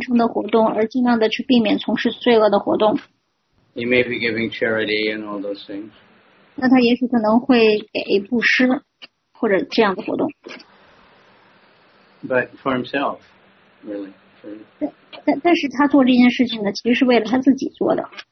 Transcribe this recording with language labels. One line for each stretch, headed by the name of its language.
Chinese: 那也就是说，一个人呢，他要去从事虔诚的活动，而尽量的去避免从事罪恶的活动。
English: He may be giving charity and all those things.
Chinese: 那他也许可能会给布施，或者这样的活动。
English: But for himself, really.
Chinese: 但是他做这件事情呢，其实是为了他自己做的。